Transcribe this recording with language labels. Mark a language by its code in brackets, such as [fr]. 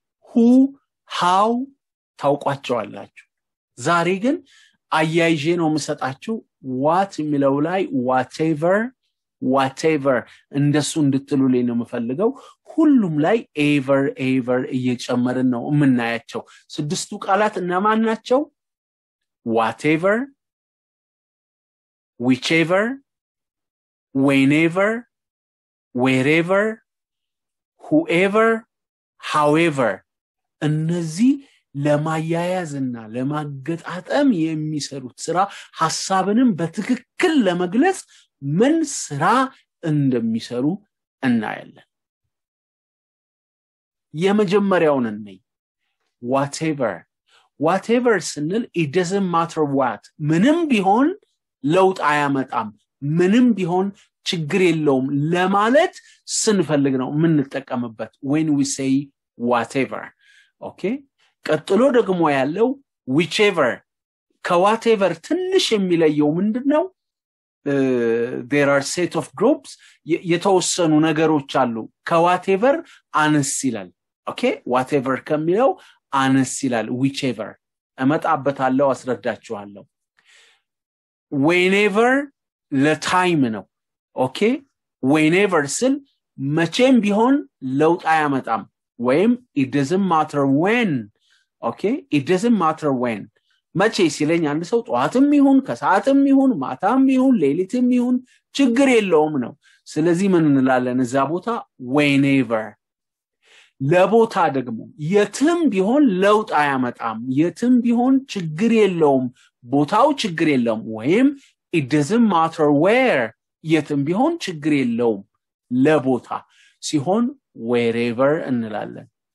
[am] who, how ታውቋቸዋላችሁ። ዛሬ ግን አያይዤ ነው የምሰጣችሁ what የሚለው ላይ whatever እንደሱ እንድትሉልኝ ነው የምፈልገው። ሁሉም ላይ ever እየጨመርን ነው የምናያቸው። 6 ቃላት እነማን ናቸው? [en] whatever, whichever, whenever, wherever, whoever, however. [am] እነዚህ ለማያያዝና ለማገጣጠም የሚሰሩት ስራ ሐሳብንም በትክክል ለመግለጽ ምን ስራ እንደሚሰሩ እናያለን። የመጀመሪያውን እንይ። whatever ስንል [en] it doesn't matter what, [am] ምንም ቢሆን ለውጥ አያመጣም ምንም ቢሆን ችግር የለውም ለማለት سنፈልግ ነው ምን ተጠቀምበት [en] when we say whatever. [am] okay ቀጥሎ ደግሞ ያለው whichever ከwhatever ትንሽ የሚለየው ምንድነው? [en] there are set of groups [am] የተወሰኑ ነገሮች አሉ። ከwhatever አንስ ይላል። okay whatever ከሚለው አንስ ይላል whichever። አመጣበታለሁ አስረዳችኋለሁ። [en] whenever the time [am] ነው። okay whenever sin መቼም ቢሆን ለውጥ አያመጣም ወይም [en] it doesn't matter when. [am] okay [en] it doesn't matter when [am] መቼ ሲለኝ አንድ ሰው ጧትም ይሁን ከሰዓትም ይሁን ማታም ይሁን ሌሊትም ይሁን ችግር የለውም ነው። ስለዚህ ምን እንላለን እዛ ቦታ? whenever። ለቦታ ደግሞ የትም ቢሆን ለውጥ አያመጣም የትም ቢሆን ችግር የለውም ቦታው ችግር የለውም ወይም [en] it doesn't matter where [am] የትም ቢሆን ችግር የለውም ለቦታ ሲሆን wherever እንላለን።